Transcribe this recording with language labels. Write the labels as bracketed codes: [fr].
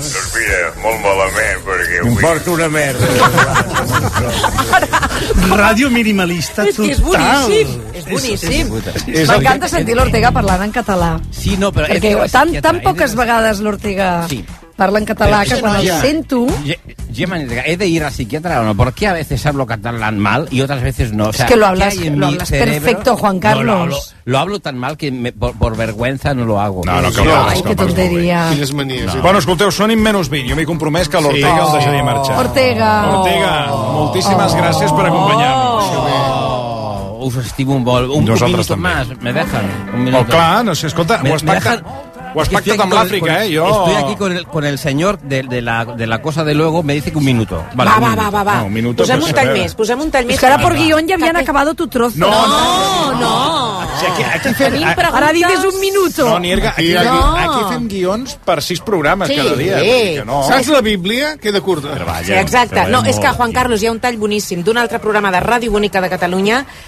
[ca] Doncs mira, molt malament, perquè... M'importa una merda. Ràdio minimalista total. És boníssim. És boníssim. M'encanta sentir l'Ortega parlant en català. Sí, no, però... Perquè tan poques vegades l'Ortega... Sí. Parla en català, que quan el sento... [es] He de ir al psiquiatra o no? ¿Por qué a veces hablo catalán mal y otras veces no? O sea, es que lo hablas perfecto, Juan Carlos. No, lo hablo tan mal que por vergüenza no lo hago. Ay, qué tontería. [ca] Quines manies. No. Bueno, escolteu, sonin menys 20. Jo m'he compromès que l'Ortega el deixaria marxar. Ortega, moltíssimes gràcies per acompanyar-nos. Us estimo molt. Nosaltres també. [es] Me dejan un [ca] minuto. Oh, clar, no sé, escolta, ho espacta... O has pactat amb l'Àfrica, jo... [es] Estoy aquí con el senyor de la cosa de luego, me dice que un minuto. Vale, va, un minuto. Va. No, un minuto. [ca] Posem un tall més. És que ara per guion ja havien acabat [es] tu trozo. [ca] No. [es] Ara dices un minuto. [ca] No, Nierga, aquí fem guions per 6 programes cada dia. Saps la Bíblia? Queda curta. Sí, exacte. No, és que, Juan Carlos, hi ha un tall boníssim d'un altre programa de Ràdio Bonica de Catalunya.